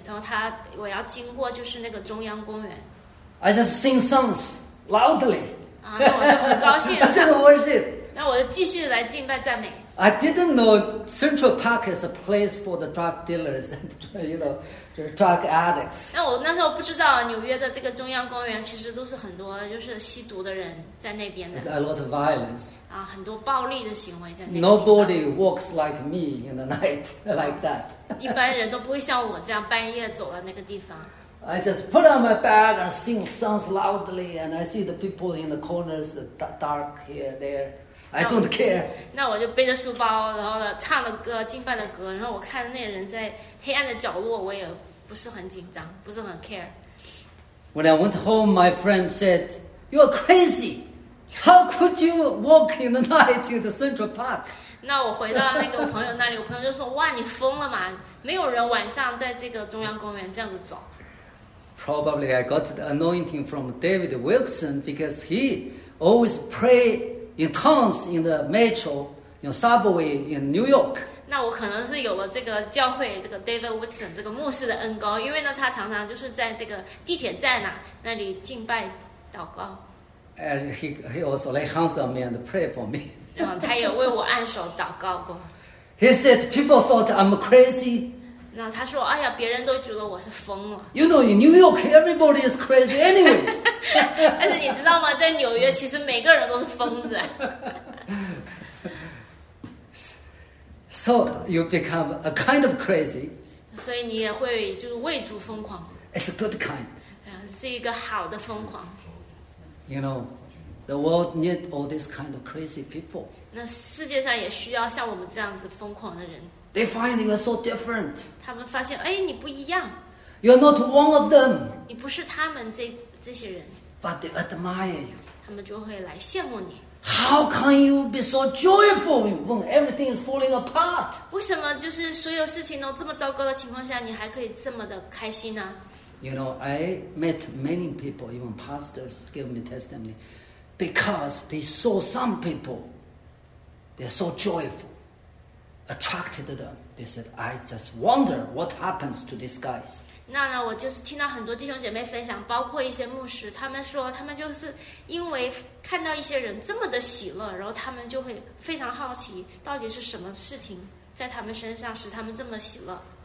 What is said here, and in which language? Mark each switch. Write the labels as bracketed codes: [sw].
[zh] 然后我要经过就是那个中央公园。 [en] I just sing songs loudly. [zh] 啊，那我就很高兴。 [en] Just worship. [zh] 那我就继续来敬拜赞美。 [en] I didn't know Central Park is a place for the drug dealers and you know. Drug addicts. [zh] 那我那时候不知道纽约的这个中央公园其实都是很多就是吸毒的人在那边的。 [en] It's a lot of violence. [zh] 啊，很多暴力的行为在那边。 [en] Nobody walks like me in the night like that. [zh] 一般人都不会像我这样半夜走到那个地方。 [en] I just put on my bag and sing songs loudly, and I see the people in the corners, the dark here, there. I don't care. [zh] 那我就背着书包，然后呢，唱了歌，敬拜的歌，然后我看那人在黑暗的角落，我也不是很紧张，不是很 care. [en] When I went home, my friend said, "You are crazy. How could you walk in the night to the Central Park?" [zh] 那我回到那个朋友那里，我朋友就说：“哇，你疯了吗？没有人晚上在这个中央公园这样子走。” [en] Probably I got the anointing from David Wilkson because he always prayed. In towns, in the metro, in subway, in New York. [zh] 那我可能是有了这个教会这个 David Wilkson 这个牧师的恩膏，因为呢，他常常就是在这个地铁站那里敬拜祷告。 [en] And he also lay hands on me and pray for me. [zh] 他也为我按手祷告过。 [en] He said people thought I'm crazy. [zh] 那他说，哎呀，别人都觉得我是疯了。 [en] You know, in New York, everybody is crazy, anyways. [zh] 但是你知道吗？在纽约，其实每个人都是疯子。 [en] So you become a kind of crazy. [zh] 所以你也会就是为主疯狂。 [en] It's a good kind. [zh] 是一个好的疯狂。 [en] You know, the world need all this kind of crazy people. [zh] 那世界上也需要像我们这样子疯狂的人。 [en] They find you are so different. [zh] 他们发现，哎，你不一样。 [en] You're not one of them. [zh] 你不是他们这些人。 [en] But they admire you. [zh] 他们就会来羡慕你。 [en] How can you be so joyful when everything is falling apart? [zh] 为什么就是所有事情都这么糟糕的情况下，你还可以这么的开心呢？ [en] You know, I met many people, even pastors gave me testimony, because they saw some people, they're so joyful, attracted them. They said, I just wonder what happens to these guys. [zh] 那呢，我就是听到很多弟兄姐妹分享，包括一些牧师，他们说他们就是因为看到一些人这么的喜乐，然后他们就会非常好奇，到底是什么事情在他们身上使他们这么喜乐。